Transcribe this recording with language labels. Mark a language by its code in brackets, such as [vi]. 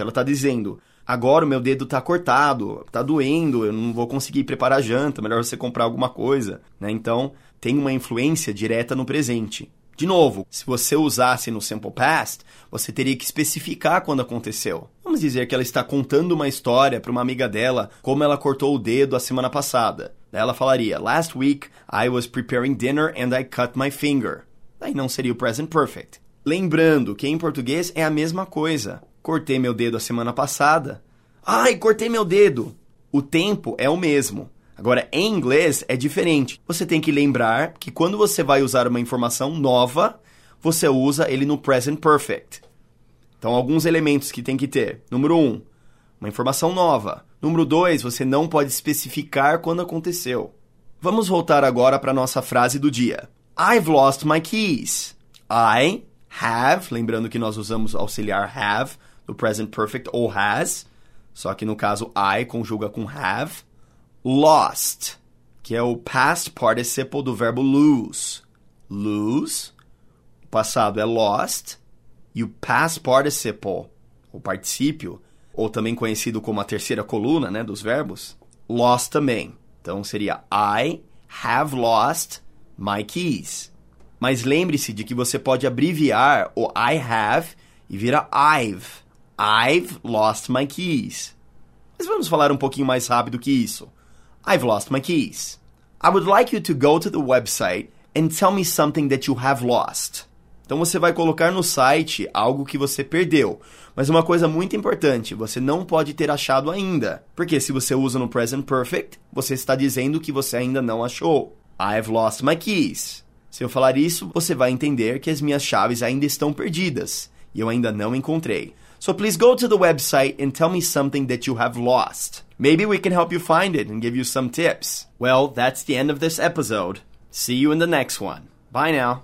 [pt] Ela tá dizendo, agora o meu dedo tá cortado, tá doendo, eu não vou conseguir preparar a janta, melhor você comprar alguma coisa. Né? Então, tem uma influência direta no presente. De novo, se você usasse no simple past, você teria que especificar quando aconteceu. Vamos dizer que ela está contando uma história para uma amiga dela, como ela cortou o dedo a semana passada. Ela falaria, [en] Last week, I was preparing dinner and I cut my finger. [pt] Aí não seria o present perfect. Lembrando que em português é a mesma coisa. Cortei meu dedo a semana passada. Ai, cortei meu dedo! O tempo é o mesmo. Agora, em inglês, é diferente. Você tem que lembrar que quando você vai usar uma informação nova, você usa ele no present perfect. Então, alguns elementos que tem que ter. Número 1, uma informação nova. Número 2, você não pode especificar quando aconteceu. Vamos voltar agora para a nossa frase do dia. [en] I've lost my keys. [pt] I have, lembrando que nós usamos auxiliar have no present perfect ou has, só que no caso I conjuga com have. Lost, que é o past participle do verbo lose. Lose, o passado é lost, e o past participle, o particípio, ou também conhecido como a terceira coluna, né, dos verbos, lost também. Então, seria [en] I have lost my keys. [pt] Mas lembre-se de que você pode abreviar o I have e vira I've, [en] I've lost my keys. [pt] Mas vamos falar um pouquinho mais rápido que isso. [en] I've lost my keys. I would like you to go to the website and tell me something that you have lost. [pt] Então você vai colocar no site algo que você perdeu. Mas uma coisa muito importante, você não pode ter achado ainda. Porque se você usa no present perfect, você está dizendo que você ainda não achou. [en] I've lost my keys. [pt] Se eu falar isso, você vai entender que as minhas chaves ainda estão perdidas. E eu ainda não encontrei. [en] So please go to the website and tell me something that you have lost. Maybe we can help you find it and give you some tips. Well, that's the end of this episode. See you in the next one. Bye now.